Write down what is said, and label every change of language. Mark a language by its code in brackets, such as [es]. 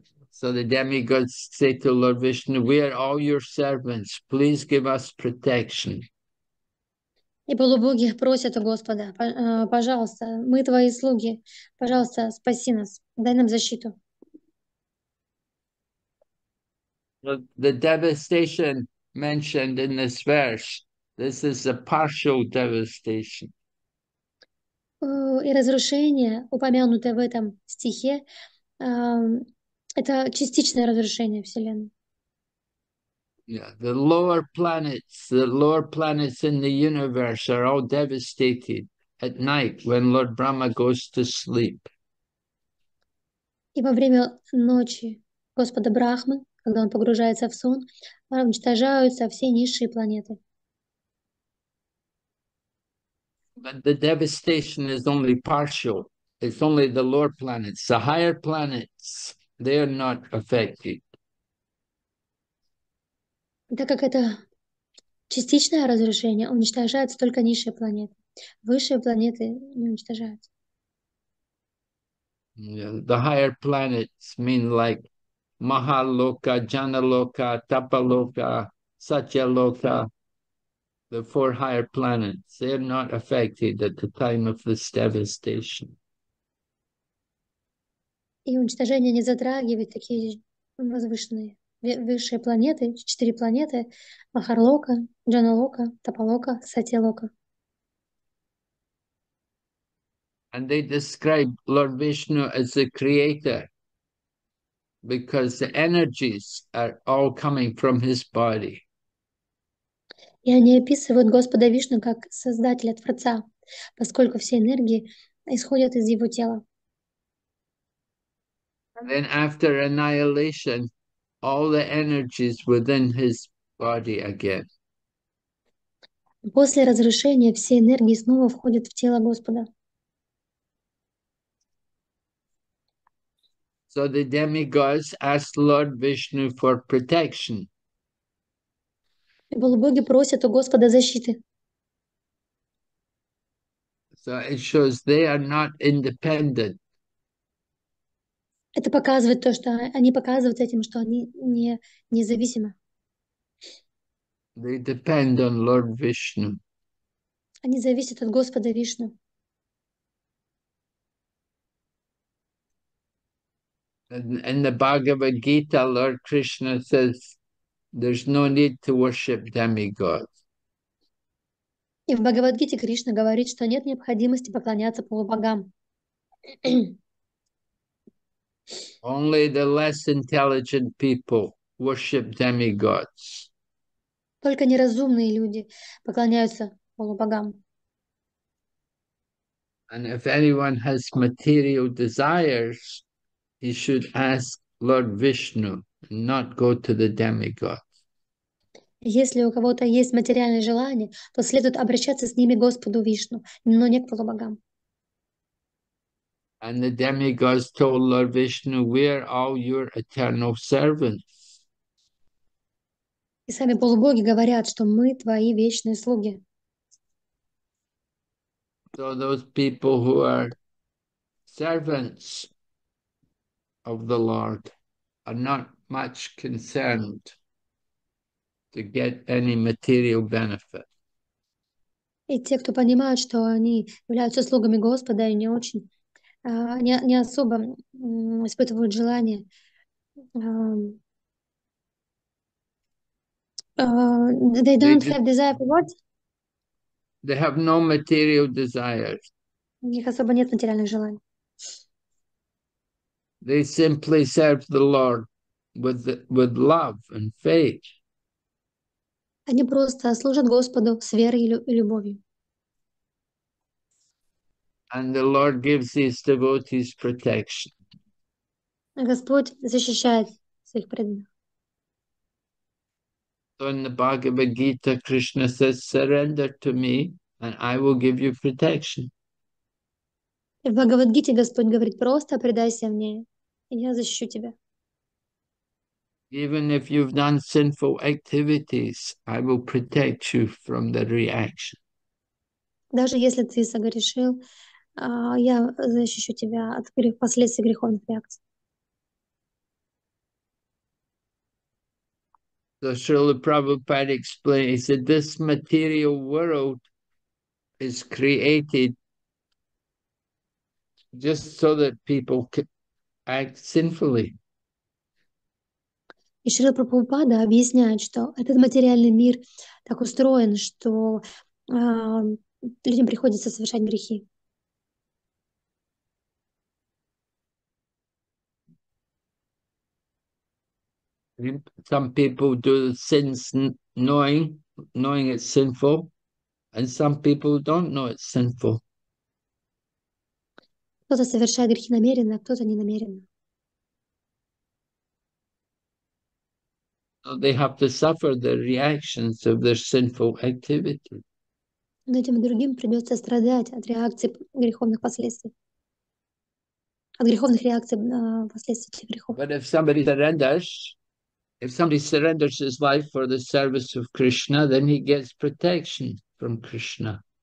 [en] So the demigods say to Lord Vishnu, "We are all your servants. Please give us protection." [ru] И полубоги просят у Господа: пожалуйста, мы твои слуги, пожалуйста, спаси нас, дай нам защиту. [en] The devastation mentioned in this verse, this is a partial devastation. [ru] И разрушение, упомянутое в этом стихе, это частичное разрушение Вселенной. [en] Yeah, the lower planets in the universe are all devastated at night when Lord Brahma goes to sleep. [ru] И во время ночи Господа Брахмы, когда он погружается в сон, уничтожаются все низшие планеты. [en] But the devastation is only partial. It's only the lower planets. The higher planets, they are not affected. [ru] Так как это частичное разрушение, уничтожаются только низшие планеты. Высшие планеты не уничтожаются. [en] The higher planets mean like Mahaloka, Janaloka, Tapaloka, Satyaloka. The four higher planets, they're not affected at the time of this devastation. [ru] И уничтожение не затрагивает такие возвышенные высшие планеты, четыре планеты: Махарлока, Джаналока, Тапалока, Сатилока. [en] And they describe Lord Vishnu as the creator because the energies are all coming from his body. [ru] И они описывают Господа Вишну как создателя, творца, поскольку все энергии исходят из его тела. [en] Then after annihilation, all the energies within his body again. [ru] После разрушения все энергии снова входят в тело Господа. [en] So the demigods asked Lord Vishnu for protection. [ru] И полубоги просят у Господа защиты. [en] So it shows they are not independent. [ru] Это показывает то, что они показывают этим, что они не независимы. [en] They depend on Lord Vishnu. [ru] Они зависят от Господа Вишну. [en] In the Bhagavad Gita, Lord Krishna says, there's no need to worship demigods. [ru] И в Бхагавад-гите Кришна говорит, что нет необходимости поклоняться полубогам. [en] Only the less intelligent people worship demigods. [ru] Только неразумные люди поклоняются полубогам. [en] And if anyone has material desires, he should ask Lord Vishnu, not go to the demigods. [ru] Если у кого-то есть материальные желания, то следует обращаться с ними к Господу Вишну, но не к полубогам. [en] And the demigods told Lord Vishnu, "We are all your eternal servants." [ru] И сами полубоги говорят, что мы твои вечные слуги. [en] So those people who are servants of the Lord are not much concerned to get any material benefit. [ru] И те, кто понимают, что они являются слугами Господа, и не очень, не особо испытывают желание [en] they They don't have desire for what? have no material desires. [ru] У них особо нет материальных желаний. [en] They simply serve the Lord with love and faith. [ru] Они просто служат Господу с верой и любовью. [en] And the Lord gives his devotees protection. [ru] Господь защищает своих преданных. [en] So in the Bhagavad Gita, Krishna says, "Surrender to me, and I will give you protection." [ru] И в Бхагавад-гите Господь говорит, просто предайся мне, и я защищу тебя. [en] Even if you've done sinful activities, I will protect you from the reaction. [ru] Даже если ты согрешил, я защищу тебя от последствий греховных реакций. [en] So Srila Prabhupada explained, he said, this material world is created just so that people can act sinfully. [ru] И Шрила Прабхупада объясняет, что этот материальный мир так устроен, что людям приходится совершать грехи. [en] Some people do the sins knowing it's sinful, and some people don't know it's sinful. [ru] Кто-то совершает грехи намеренно, а кто-то не намеренно. [en] So they have to suffer the reactions of their sinful activity. [ru] Но этим другим придется страдать от реакции греховных последствий. От греховных реакций последствий этих грехов. [en] But if somebody surrenders, if somebody surrenders his life for the service of Krishna, then he gets protection from Krishna.